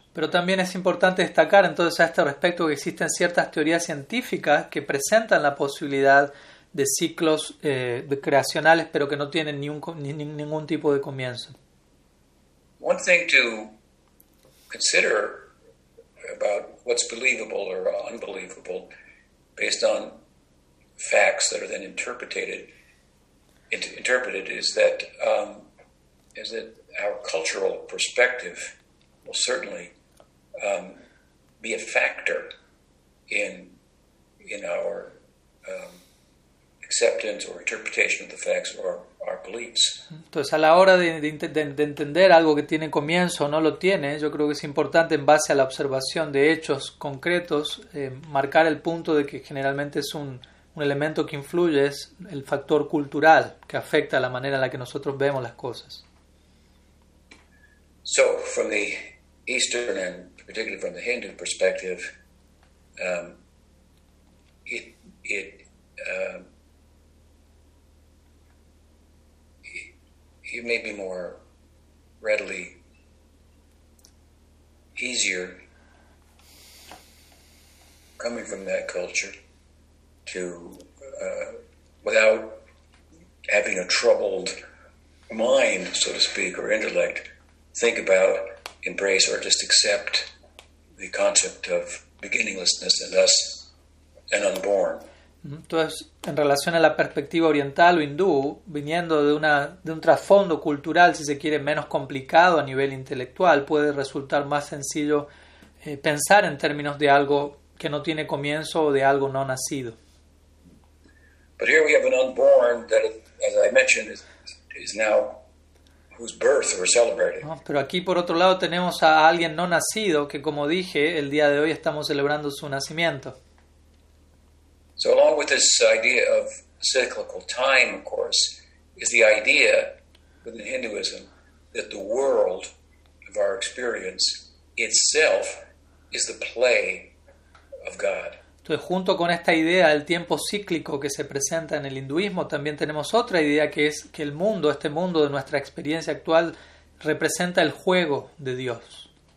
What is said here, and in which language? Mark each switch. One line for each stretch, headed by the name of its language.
Spanish: Pero también es importante destacar entonces a este respecto que existen ciertas teorías científicas que presentan la posibilidad de ciclos creacionales pero que no tienen ningún tipo de comienzo.
English: One thing to consider about what's believable or unbelievable based on facts that are then interpreted is that our cultural perspective will certainly be a factor in our acceptance or interpretation of the facts or our beliefs.
Spanish: Entonces, a la hora de entender algo que tiene comienzo o no lo tiene, yo creo que es importante, en base a la observación de hechos concretos, marcar el punto de que generalmente es un elemento que influye, es el factor cultural que afecta la manera en la que nosotros vemos las cosas.
English: So, from the Eastern and particularly from the Hindu perspective, it may be more readily easier coming from that culture to without having a troubled mind, so to speak, or intellect, think about, embrace, or just accept the concept of beginninglessness and thus an unborn.
Spanish: Entonces, en relación a la perspectiva oriental o hindú, viniendo de un trasfondo cultural, si se quiere, menos complicado a nivel intelectual, puede resultar más sencillo pensar en términos de algo que no tiene comienzo o de algo no nacido.
English: But here we have an unborn that, as I mentioned, is now whose birth we're celebrating.
Spanish: No, pero aquí, por otro lado, tenemos a alguien no nacido que, como dije, el día de hoy estamos celebrando su nacimiento.
English: So along with this idea of cyclical time, of course, is the idea within Hinduism that the world of our experience itself is the play of God.
Spanish: Entonces, junto con esta idea del tiempo cíclico que se presenta en el hinduismo, también tenemos otra idea que es que el mundo, este mundo de nuestra experiencia actual, representa el juego de Dios.